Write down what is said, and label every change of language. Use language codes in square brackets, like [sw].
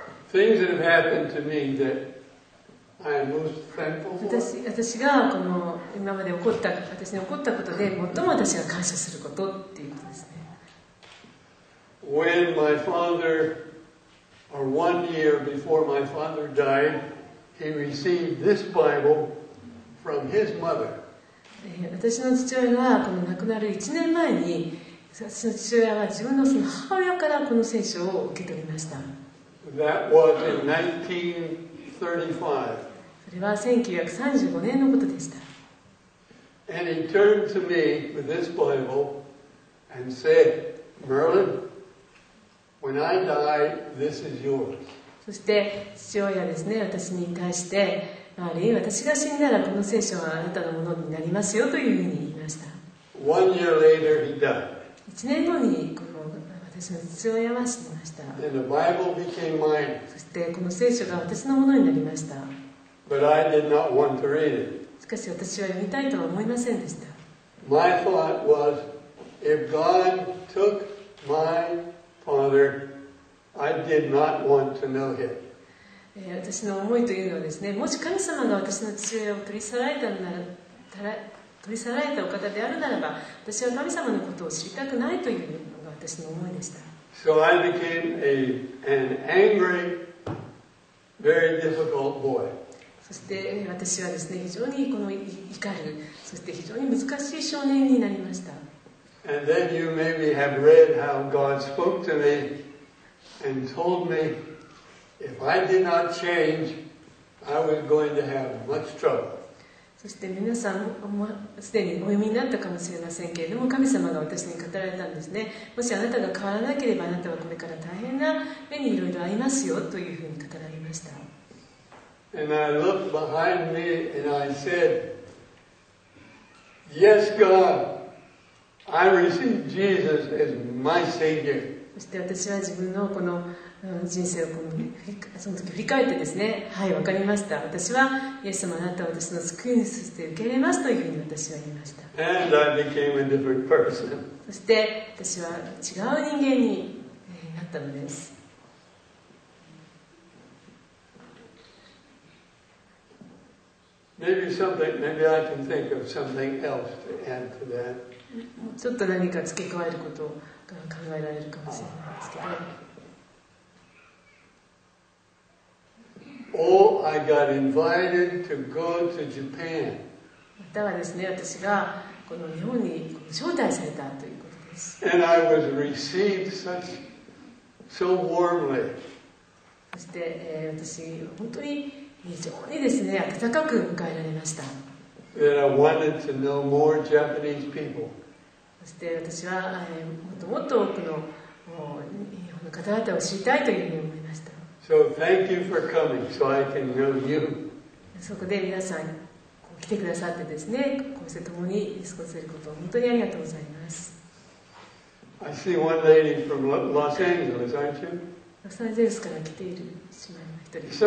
[en] Things that have happened to me that I am most thankful for. [ja] 私がこの今まで起こった私に起こったことで最も私が感謝することっていうことですね。 [en] When my father, or 1 year before my father died, he received this Bible from his mother. [ja] 私の父親がこの亡くなる1年前に、私の父親は自分のその母親からこの聖書を受け取りました。 [en] That was in 1935. And he turned to me with this Bible and said, Merlin, when I die, this is yours. [ja] そして父親はですね、私に対して、マーリン、私が死んだらこの聖書はあなたのものになりますよというふうに言いました。 [en] One year later, he died. [ja] 1年後にこの私の父親は死にました。 [en] And the Bible became mine. [ja] そしてこの聖書が私のものになりました。 [en] But I did not want to read it. [ja] しかし私は読みたいとは思いませんでした。 [en] My thought was, if God took my father, I did not want to know him. [ja] 私の思いというのはですね、もし神様が私の父親を取り去られたのなら、取り去られたお方であるならば、私は神様のことを知りたくないというのが私の思いでした。 [en] So I became an angry, very difficult boy. [ja] そして私はですね、非常にこの怒る、そして非常に難しい少年になりました。 [en] And then you maybe have read how God spoke to me and told me if I did not change, I was going to have much trouble. [ja] そして皆さんすでにお読みになったかもしれませんけれども、神様が私に語られたんですね。もしあなたが変わらなければ、あなたはこれから大変な目にいろいろ遭いますよというふうに語られました。 [en] And I looked behind me and I said, Yes, God, I received Jesus as my Savior. [ja] そして私は自分のこの人生をこの、ね、その時振り返ってですね、はい、わかりました、私はイエス様、あなたを私の救いにさせて受け入れますというふうに私は言いました。 [en] And I became a different person. [ja] そして私は違う人間になったのです。 [en] Maybe something, maybe I can think of something else to add to that. [ja] ちょっと何か付け加えることが考えられるかもしれないですけど、 [en] I got invited to go to Japan. [ja] またはですね、私がこの日本に招待されたということです。 [en] And I was received such so warmly. [ja] そして、私本当に非常にですね、温かく迎えられました。 [en] That I wanted to know more Japanese people. [ja] そして私は、もっともっと多くの日本の方々を知りたいというふうに思いました。 [en] So thank you for coming, so I can know you. [ja] そこで皆さん来てくださってですね、こうして共に過ごせることを本当にありがとうございます。 [en] I see one lady from Los Angeles, aren't you? [ja] ロサンゼルスから来ている姉妹の一人。